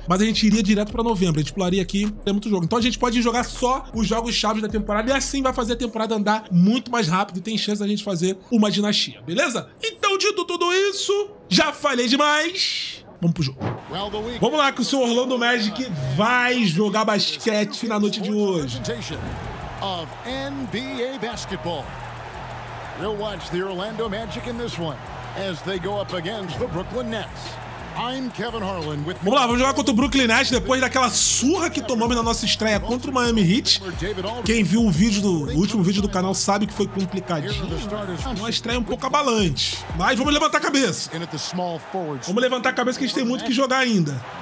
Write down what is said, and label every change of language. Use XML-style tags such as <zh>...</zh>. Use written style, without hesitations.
<pt>Mas a gente iria direto pra novembro. A gente pularia aqui, tem muito jogo. Então a gente pode jogar só os jogos-chave da temporada e assim vai fazer a temporada andar muito mais rápido e tem chance da gente fazer uma dinastia, beleza? Então, dito tudo isso, já falei demais. Vamos pro jogo. Vamos lá, que o seu Orlando Magic vai jogar basquete na noite de hoje.</pt> <en>Of NBA basketball. You'll watch the Orlando Magic in this one as they go up against the Brooklyn Nets. I'm Kevin Harlan with...</en> <pt>Vamos lá, vamos jogar contra o Brooklyn Nets depois daquela surra que tomamos na nossa estreia contra o Miami Heat. Quem viu o vídeo do o último vídeo do canal sabe que foi complicadinho. Uma estreia um pouco abalante. Mas vamos levantar a cabeça. Vamos levantar a cabeça que a gente tem muito que jogar ainda.</pt>